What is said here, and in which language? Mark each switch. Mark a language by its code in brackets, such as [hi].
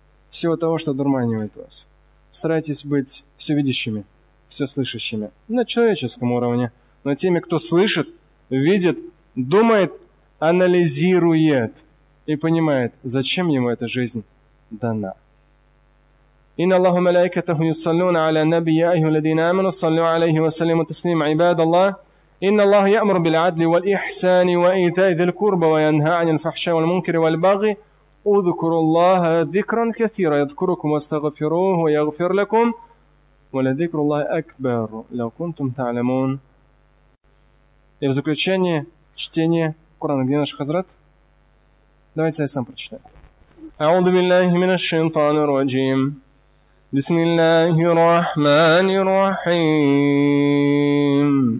[ru] Всего того, что дурманивает вас. Старайтесь быть всевидящими, всеслышащими. На человеческом уровне. Но теми, кто слышит, видит, думает, анализирует. И понимает, зачем ему эта жизнь дана. [ar] إن الله ملائكته يصلون على النبي يا أيها الذين آمنوا صلوا عليه وسلموا تسليما عباد الله إن الله يأمر بالعدل والإحسان وإيتاء ذي القربى وينهى عن الفحشاء والمنكر والبغي اذكروا الله ذكرا كثيرا يذكركم واستغفروه ويغفر لكم ولذكر الله أكبر لو كنتم تعلمون. [ru] И в заключение чтение Корана, где наш хазрат? Давайте я сам прочитаю. [ar] أعوذ بالله من الشيطان الرجيم. بسم الله الرحمن الرحيم.